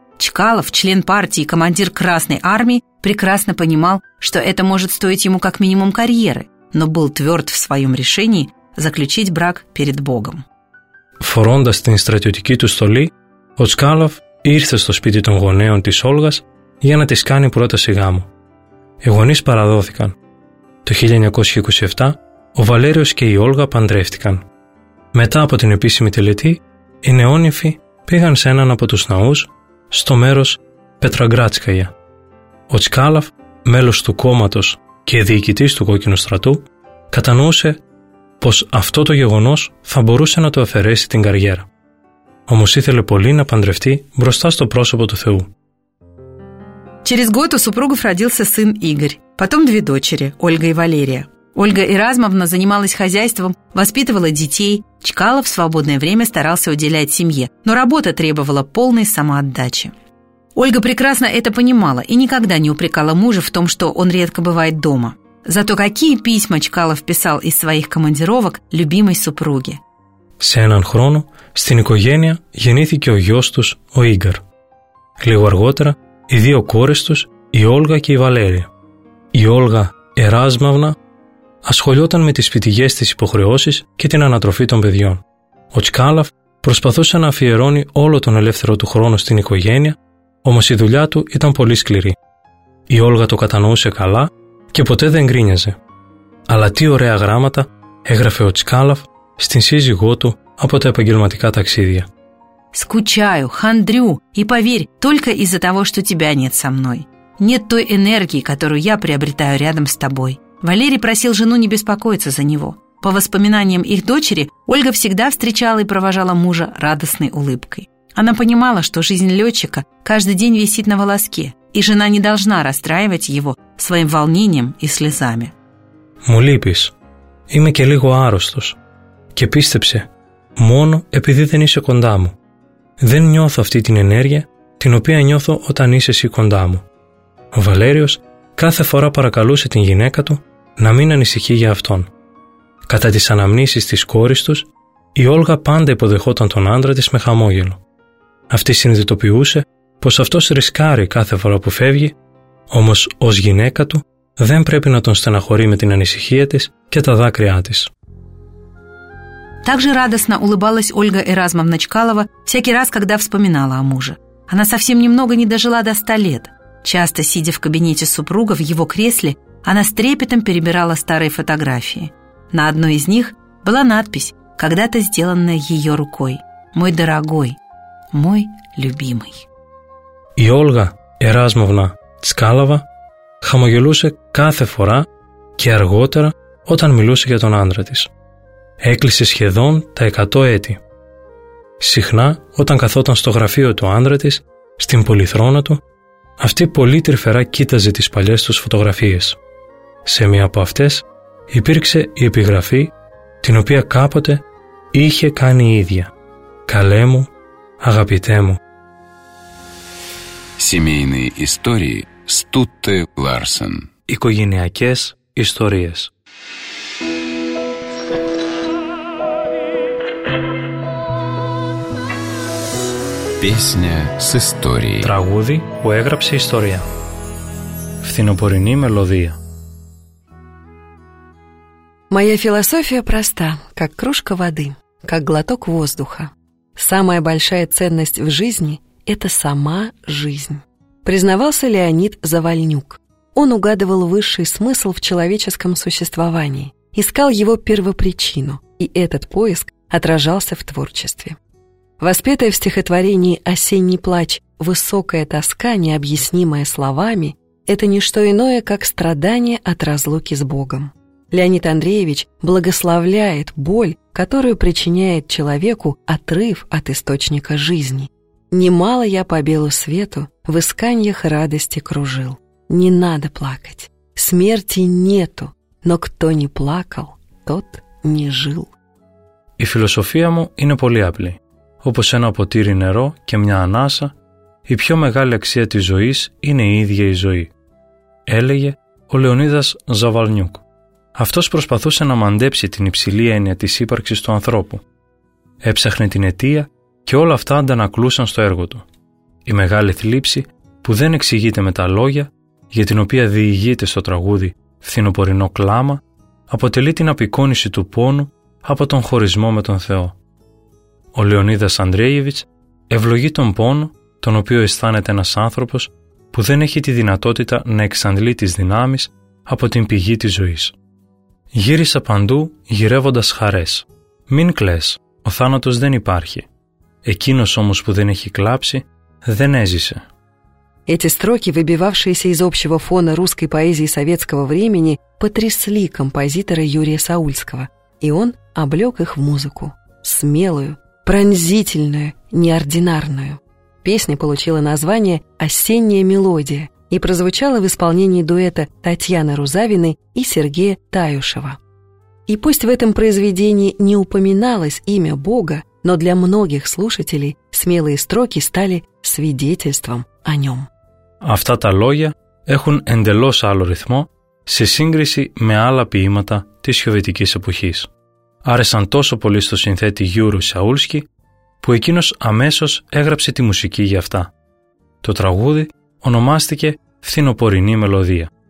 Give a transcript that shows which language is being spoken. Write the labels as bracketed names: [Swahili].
[Russian] Чкалов, член партии и командир Красной армии, прекрасно понимал, что это может стоить ему как минимум карьеры, но был тверд в своем решении заключить брак перед Богом. [Greek] Φορώντας την στρατιωτική του στολή, ο Τσκάλαφ ήρθε στο σπίτι των γονέων της Όλγας για να της κάνει πρόταση γάμου. Οι γονείς παραδόθηκαν. Το 1927, ο Βαλέριος και η Όλγα παντρεύτηκαν. Μετά από την επίσημη τελετή, οι νεόνυφοι πήγαν σε έναν από τους ναούς, στο μέρος Πετραγκράτσκαγια. Ο Τσκάλαφ, μέλος του κόμματος και διοικητής του Κόκκινου Στρατού, κατανοούσε πως αυτό το γεγονός θα μπορούσε να του αφαιρέσει την καριέρα. Όμως ήθελε πολύ να παντρευτεί μπροστά στο πρόσωπο του Θεού. [Russian] Через год у супругов родился сын Игорь, потом две дочери, Ольга и Валерия. Ольга Эразмовна занималась хозяйством, воспитывала детей, Чкалов в свободное время старался уделять семье, но работа требовала полной самоотдачи. Ольга прекрасно это понимала и никогда не упрекала мужа в том, что он редко бывает дома. Зато какие письма Чкалов писал из своих командировок любимой супруге. [Greek] Σε έναν χρόνο, στην οικογένεια γεννήθηκε ο γιος τους, ο Ίγκαρ. Λίγο αργότερα, οι δύο κόρες τους, η Όλγα και η Βαλέρια. Η Όλγα Εράσμαυνα ασχολιόταν με τις σπιτιές της υποχρεώσεις και την ανατροφή των παιδιών. Ο Τσκάλαφ προσπαθούσε να αφιερώνει όλο τον ελεύθερο του χρόνο στην οικογένεια, όμως η δουλειά του ήταν πολύ σκληρή. Η Όλγα το κατανοούσε καλά και ποτέ δεν γκρίνιαζε. Αλλά τι ωραία γράμματα έγραφε ο Τσκάλαφ στην σύζυγό του από τα επαγγελματικά ταξίδια. [Russian] «Скучаю, хандрю, и поверь, только из-за того, что тебя нет со мной. Нет той энергии, которую я приобретаю рядом с тобой». Валерий просил жену не беспокоиться за него. По воспоминаниям их дочери, Ольга всегда встречала и провожала мужа радостной улыбкой. Она понимала, что жизнь летчика каждый день висит на волоске, и жена не должна расстраивать его своим волнением и слезами. [Greek] «Му липис, имя келиго аростус, кепистепсе, моно эпиди дэн исэ кондά му. Δεν νιώθω αυτή την ενέργεια, την οποία νιώθω όταν είσαι εσύ κοντά μου». Ο Βαλέριος κάθε φορά παρακαλούσε την γυναίκα του να μην ανησυχεί για αυτόν. Κατά τις αναμνήσεις της κόρης τους, η Όλγα πάντα υποδεχόταν τον άντρα της με χαμόγελο. Αυτή συνειδητοποιούσε πως αυτός ρισκάρει κάθε φορά που φεύγει, όμως ως γυναίκα του δεν πρέπει να τον στεναχωρεί με την ανησυχία της και τα δάκρυά της. [Russian] Также радостно улыбалась Ольга Эразмовна Чкалова всякий раз, когда вспоминала о муже. Она совсем немного не дожила до 100 лет. Часто, сидя в кабинете супруга в его кресле, она с трепетом перебирала старые фотографии. На одной из них была надпись, когда-то сделанная ее рукой. «Мой дорогой, мой любимый». [Greek] И Ольга Эразмовна Чкалова хамогелуше каждый фора и арготера, όταν милуше για τον άντρα της. Έκλεισε σχεδόν τα 100 έτη. Συχνά, όταν καθόταν στο γραφείο του άντρα της, στην πολυθρόνα του, αυτή πολύ τρυφερά κοίταζε τις παλιές τους φωτογραφίες. Σε μία από αυτές υπήρξε η επιγραφή, την οποία κάποτε είχε κάνει η ίδια. «Καλέ μου, αγαπητέ μου». [Russian] Семейные истории Стутте Ларсен. [Greek] Οικογενειακές ιστορίες. [Russian] Песня с историей. [Greek] Τραγούδι που έγραψε ιστορία. Φθινοπορεινή μελωδία. [Russian] Моя философия проста, как кружка воды, как глоток воздуха. Самая большая ценность в жизни – это сама жизнь. Признавался Леонид Завальнюк. Он угадывал высший смысл в человеческом существовании. искал его первопричину, и этот поиск отражался в творчестве. Воспетая в стихотворении «Осенний плач» высокая тоска, необъяснимая словами, это не что иное, как страдание от разлуки с Богом. Леонид Андреевич благословляет боль, которую причиняет человеку отрыв от источника жизни. «Немало я по белу свету в исканьях радости кружил. Не надо плакать, смерти нету, но кто не плакал, тот не жил». [Greek] Η φιλοσοφία μου είναι πολύ απλή. Όπως ένα ποτήρι νερό και μια ανάσα, η πιο μεγάλη αξία της ζωής είναι η ίδια η ζωή. Έλεγε ο Λεωνίδας Ζαβαλνιούκ. Αυτός προσπαθούσε να μαντέψει την υψηλή έννοια της ύπαρξης του ανθρώπου. Έψαχνε την αιτία και όλα αυτά αντανακλούσαν στο έργο του. Η μεγάλη θλίψη που δεν εξηγείται με τα λόγια, για την οποία διηγείται στο τραγούδι «Φθινοπορεινό κλάμα», αποτελεί την απεικόνιση του πόνου από τον χωρισμό με τον Θεό. Ο Λεωνίδας Αντρέιεβιτς ευλογεί τον πόνο, τον οποίο αισθάνεται ένας άνθρωπος που δεν έχει τη δυνατότητα να εξαντλεί τις δυνάμεις από την πηγή της ζωής. «Γύρισα παντού γυρεύοντας χαρές. Μην κλαις, ο θάνατος δεν υπάρχει. Εκείνος όμως που δεν έχει κλάψει, δεν έζησε». [Russian] Эти строки, выбивавшиеся из общего фона русской поэзии советского времени, потрясли композитора Юрия Саульского, и он облёк их в музыку. Смелую, пронзительную, неординарную. Песня получила название «Осенняя мелодия» и прозвучала в исполнении дуэта Татьяны Рузавиной и Сергея Таюшева. И пусть в этом произведении не упоминалось имя Бога, но для многих слушателей смелые строки стали свидетельством о нём. [Greek] Αυτά τα λόγια έχουν εντελώς άλλο ρυθμό σε σύγκριση με άλλα ποίηματα της σοβιετικής εποχής. Άρεσαν τόσο πολύ στο συνθέτη Γιούρου Σαούλσκι που εκείνος αμέσως έγραψε τη μουσική για αυτά. Το τραγούδι ονομάστηκε «Φθινοπορεινή μελωδία».